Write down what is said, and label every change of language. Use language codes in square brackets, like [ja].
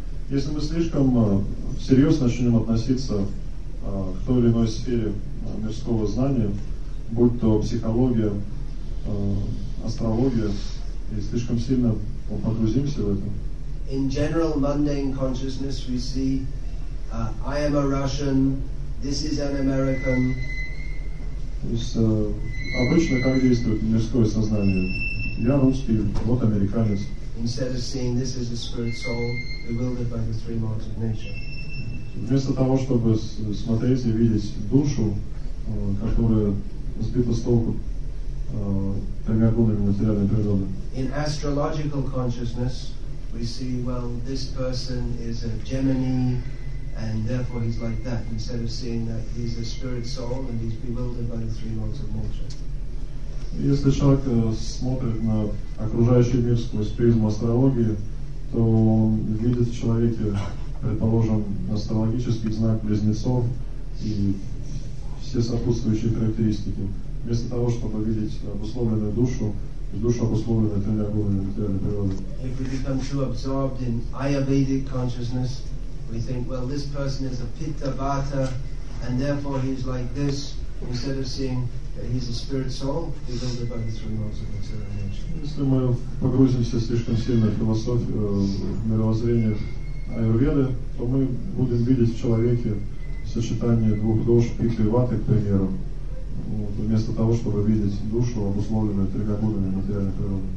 [ru] Если мы слишком всерьез начнем относиться к той или иной сфере мирского знания, будь то психология, астрология, и слишком сильно погрузимся в это. [en] In general, mundane consciousness, we see I am a Russian, this is an American. [ru] То есть обычно как действует мирское сознание? Я русский, вот американец. [en] Instead of seeing this as a spirit soul bewildered by the three modes of nature. [ru] Вместо того, чтобы смотреть и видеть душу, которая сбита с толку тремя гунами материальной природы. [en] In astrological consciousness, we see, well, this person is a Gemini, and therefore he's like that, instead of seeing that he's a spirit soul and he's bewildered by the three modes of nature. [ru] Если человек смотрит на окружающий мир сквозь призму астрологии, то он видит в человеке, предположим, астрологический знак близнецов и все сопутствующие характеристики. Вместо того, чтобы видеть обусловленную душу, душа обусловленная тремя гунами материальной природы. [en] If we become too absorbed in Ayurvedic consciousness, we think, well, this person is a Pitta Vata, and therefore he's like this, instead of seeing that he's a spirit soul, we build up the three modes of material nature. [ru] Если мы погрузимся слишком сильно в философию, мировоззрение Аюрведы, то мы будем видеть в человеке сочетание двух душ, Питты и Ваты, к примеру, вместо того, чтобы видеть душу, обусловленную тремя гунами материальной природы.